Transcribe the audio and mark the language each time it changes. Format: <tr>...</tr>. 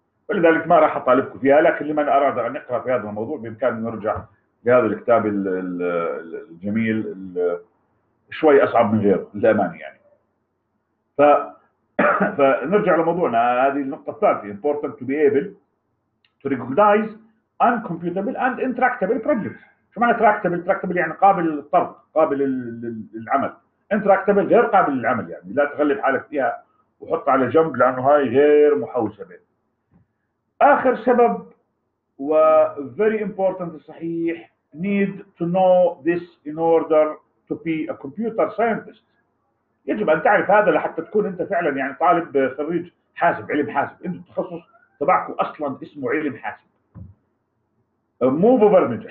<ar>ولذلك ما راح اطالبكم فيها لكن لمن اراد ان يقرا في هذا الموضوع بامكانه يرجع لهذا الكتاب الجميل شوي اصعب من غيره للامانه يعني. فنرجع لموضوعنا هذه النقطه الثالثه</ar> <en>important to be able to recognize uncomputable and intractable problems.</en> <ar>شو معنى تراكتبل؟ تراكتبل يعني قابل للطرد قابل للعمل انتراكتبل غير قابل للعمل يعني لا تغلب حالك فيها وحط على جنب لانه هاي غير محوسبه. اخر سبب و</ar> <en>very important</en> <ar>صحيح</ar> <en>need to know this in order to be a computer scientist</en> <ar>يجب ان تعرف هذا لحتى تكون انت فعلا يعني طالب خريج حاسب علم حاسب انت التخصص تبعك اصلا اسمه علم حاسب مو مبرمج.</ar>